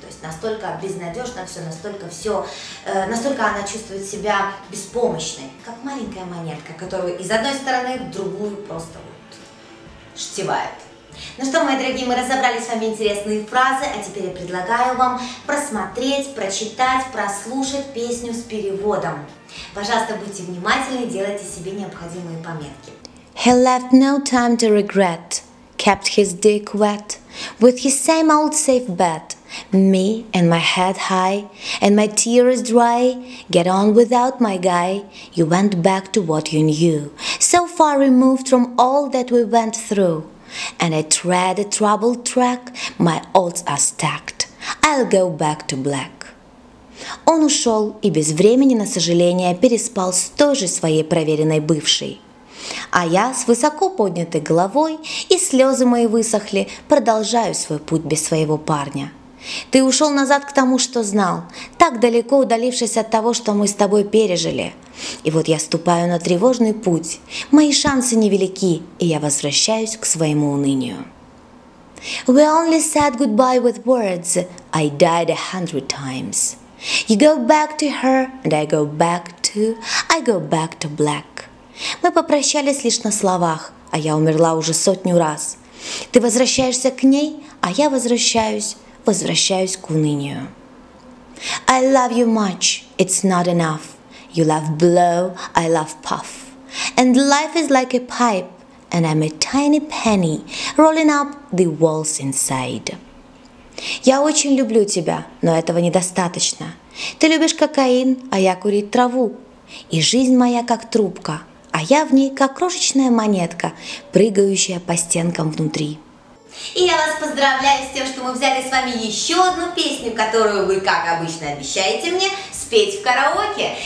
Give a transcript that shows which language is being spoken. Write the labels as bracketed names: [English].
[Russian] То есть настолько безнадежно все, настолько она чувствует себя беспомощной, как маленькая монетка, которую из одной стороны в другую просто вот штевает. Ну что, мои дорогие, мы разобрали с вами интересные фразы, а теперь я предлагаю вам просмотреть, прочитать, прослушать песню с переводом. Пожалуйста, будьте внимательны, делайте себе необходимые пометки. [English] He left no time to regret, kept his dick wet, with his same old safe bet. Me and my head high, and my tears dry, get on without my guy, you went back to what you knew, so far removed from all that we went through. And I tread a troubled track, my odds are stacked, I'll go back to black. [Russian] Он ушел и без времени, на сожаление, переспал с той же своей проверенной бывшей. А я с высоко поднятой головой, и слезы мои высохли, продолжаю свой путь без своего парня. Ты ушел назад к тому, что знал, так далеко удалившись от того, что мы с тобой пережили. И вот я ступаю на тревожный путь, мои шансы невелики, и я возвращаюсь к своему унынию. [English] We only said goodbye with words, I died 100 times. You go back to her, and I go back to black. [Russian] Мы попрощались лишь на словах, а я умерла уже 100 раз. Ты возвращаешься к ней, а я возвращаюсь к унынию. [English] I love you much, it's not enough. You love blow, I love puff. And life is like a pipe, and I'm a tiny penny, rolling up the walls inside. [Russian] Я очень люблю тебя, но этого недостаточно. Ты любишь кокаин, а я курить траву. И жизнь моя как трубка, а я в ней как крошечная монетка, прыгающая по стенкам внутри. И я вас поздравляю с тем, что мы взяли с вами еще одну песню, которую вы, как обычно, обещаете мне спеть в караоке.